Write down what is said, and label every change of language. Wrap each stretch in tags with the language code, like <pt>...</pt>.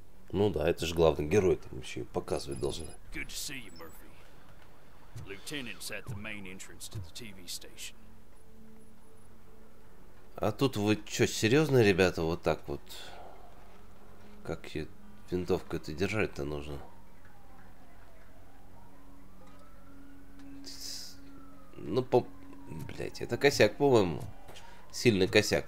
<ru>Ну да, это же главный герой, там еще и показывать должны.</ru> <en>Good to see you, Murphy. Lieutenant's at the main entrance to the TV station.</en> <ru>А тут вы что, серьезно, ребята, вот так вот? Как ее винтовку это держать-то нужно? Ну, по... Блять, это косяк, по-моему. Сильный косяк.</ru>